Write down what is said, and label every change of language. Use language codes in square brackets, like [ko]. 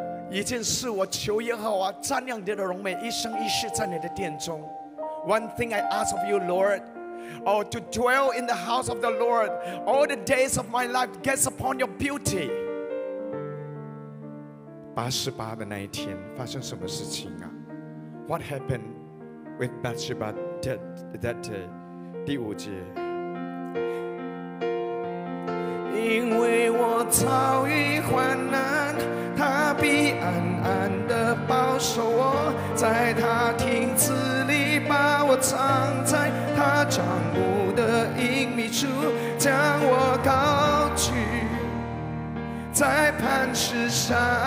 [zh] 一件事我求耶和华，瞻仰你的荣美，一生一世在你的殿中。 [en] One thing I ask of you, LordOh, to dwell in the house of the Lord all the days of my life, gaze upon your beauty. [zh] 88的那一天发生什么事情啊？ [en] What happened with Bathsheba that day? [zh] 第五节，因为我遭遇患难，他必暗暗地保守我，在他亭子里把我藏在他帐幕的隐秘处，将我高举在磐石上。